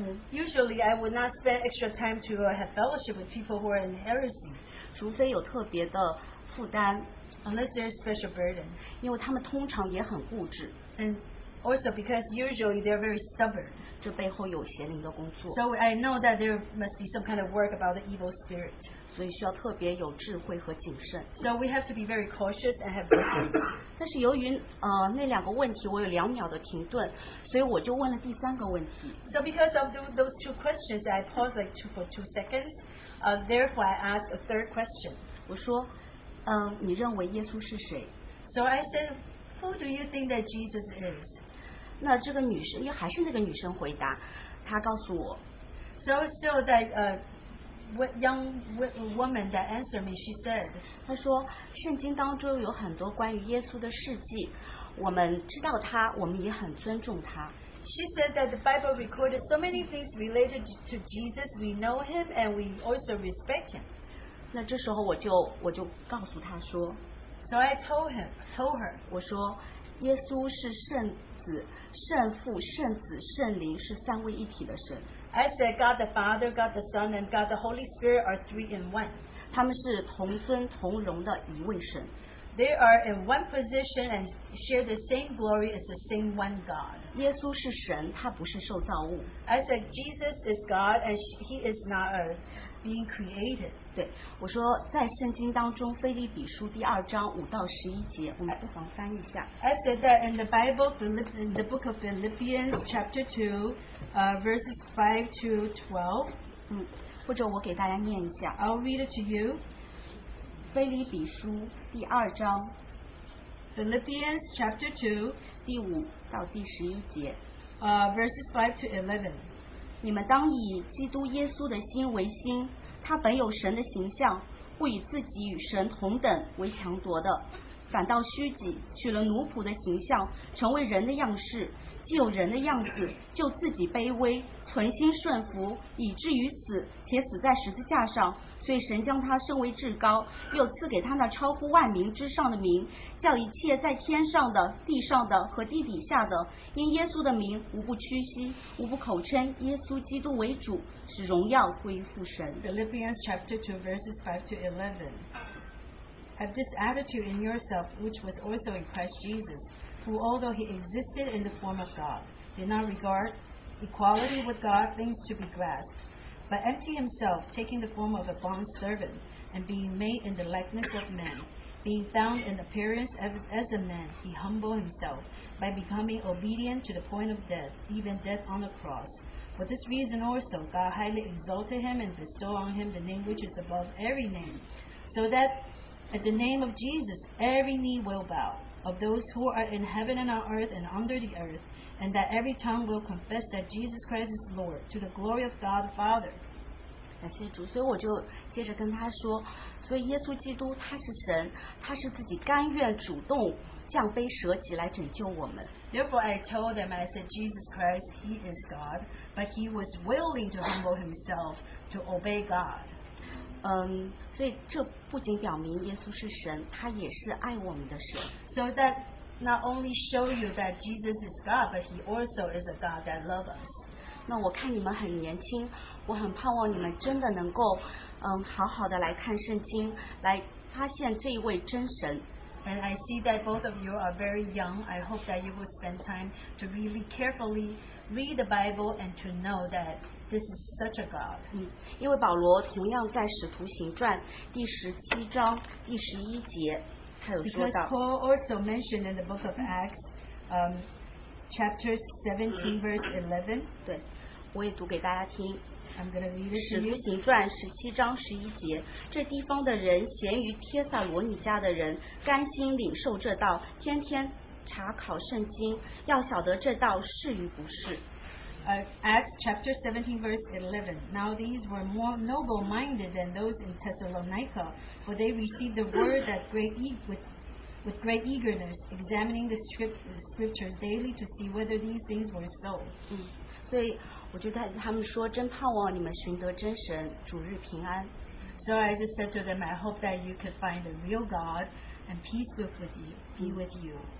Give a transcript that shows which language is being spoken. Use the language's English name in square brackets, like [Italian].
[English] Usually I would not spend extra time to have fellowship with people who are in heresy. [Chinese] 除非有特别的负担, [English] unless there is special burden. [Chinese] 因为他们通常也很固执, [English] and also because usually they are very stubborn. So I know that there must be some kind of work about the evil spirit. So we have to be very cautious and have wisdom. [Chinese] 但是由于, 那两个问题我有两秒的停顿, [English] so because of those two questions, I paused like for two seconds. Therefore, I asked a third question. [Chinese] 我说, 你认为耶稣是谁? [English] So I said, who do you think that Jesus is? [Chinese] 那这个女生, 还是那个女生回答, 她告诉我, [English] so still that what young woman that answered me, she said, [Chinese] 她说, 圣经当中有很多关于耶稣的事迹, 我们知道他, 我们也很尊重他。 [English] She said that the Bible recorded so many things related to Jesus, we know him and we also respect him. [Chinese] 那这时候我就告诉她说, [English] so I told her, [Chinese] 我说, 耶稣是圣, 圣父, 圣子, 圣灵, [English] I said, God the Father, God the Son, and God the Holy Spirit are three in one. [Chinese] 他们是同尊同荣的一位神。 [English] They are in one position and share the same glory as the same one God. [Chinese] 耶稣是神, [English] I said, Jesus is God and he is not a being created. [Chinese] 对, 我说, 在圣经当中菲利比书第二章5到11节, 我们不妨翻译一下。 [English] I said that in the Bible, in the book of Philippians chapter 2, verses 5 to 12, [Chinese] 或者我给大家念一下。 [English] I'll read it to you. [Chinese] 菲利比书第二章, [English] Philippians chapter 2, [Chinese] 第5到第11节, [English] verses 5 to 11. [Chinese] 你们当以基督耶稣的心为心, 他本有神的形象, 不以自己与神同等为强夺的, 反倒虚己, 取了奴仆的形象, 成为人的样式, 既有人的样子, 就自己卑微, 存心顺服, 以至于死, 且死在十字架上, 所以神将他升为至高, 又赐给他那超乎万民之上的名, 叫一切在天上的, 地上的, 和地底下的, 因耶稣的名, 无不屈膝, 无不口称, 耶稣基督为主, 使荣耀归于父神。 [English] Philippians chapter 2, verses 5 to 11. Have this attitude in yourself, which was also in Christ Jesus, who, although he existed in the form of God, did not regard equality with God things to be grasped, but emptied himself, taking the form of a bond servant, and being made in the likeness of men, being found in appearance as a man, he humbled himself by becoming obedient to the point of death, even death on the cross. For this reason also, God highly exalted him and bestowed on him the name which is above every name, so that at the name of Jesus, every knee will bow, of those who are in heaven and on earth and under the earth, and that every tongue will confess that Jesus Christ is Lord, to the glory of God the Father. [Chinese] 感谢主, 所以我就接着跟他说, 所以耶稣基督他是神, 他是自己甘愿主动降卑舍己来拯救我们。 [English] Therefore I told them, I said, Jesus Christ, he is God, but he was willing to humble himself to obey God. [Chinese] 所以这不仅表明耶稣是神, 他也是爱我们的神。 [English] So that not only show you that Jesus is God, but he also is a God that loves us. [Chinese] 那我看你们很年轻, 我很盼望你们真的能够, 好好地来看圣经, 来发现这一位真神。 [English] And I see that both of you are very young. I hope that you will spend time to really carefully read the Bible and to know that this is such a God. [Chinese] 因为保罗同样在使徒行传第十七章第十一节, [English] because Paul also mentioned in the book of Acts, chapter 17, verse 11. [Chinese] 对，我也读给大家听。 [English] I'm going to read it to you. [Chinese] 使徒行传17章11节, 这地方的人咸于帖撒罗尼迦的人, 甘心领受这道, 天天查考圣经, 要晓得这道是与不是。 [English] Acts chapter 17, verse 11. Now these were more noble-minded than those in Thessalonica, for they received the word that with great eagerness, examining the scriptures daily to see whether these things were so. [Chinese] 所以我就带他们说真盼望你们寻得真神主日平安。 [English] So I just said to them, I hope that you could find the real God and peace be with you.